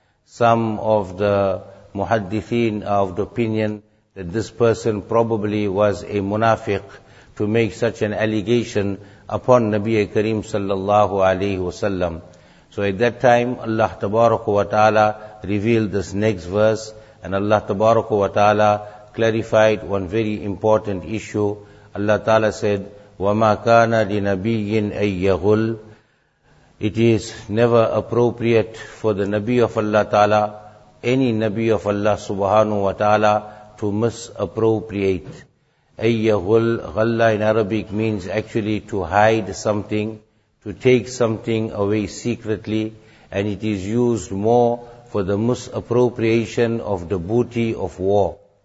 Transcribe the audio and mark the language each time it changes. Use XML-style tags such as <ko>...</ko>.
<en>Some of the muhaddithin are of the opinion that this person probably was a munafiq to make such an allegation upon Nabi Kareem sallallahu alayhi wa sallam. So at that time, Allah Tabaraka wa Ta'ala revealed this next verse, and Allah Tabaraka wa Ta'ala clarified one very important issue. Allah Ta'ala said,</en> <ar>وَمَا كَانَ لِنَبِيٍّ أَن يَغُلْ.</ar> <en>It is never appropriate for the Nabi of Allah Ta'ala, any Nabi of Allah Subhanahu wa Ta'ala, to misappropriate.</en> <ar>أَيَّهُلْ غَلَّ</ar> <en>in Arabic means actually to hide something, to take something away secretly, and it is used more for the misappropriation of the booty of war.</en>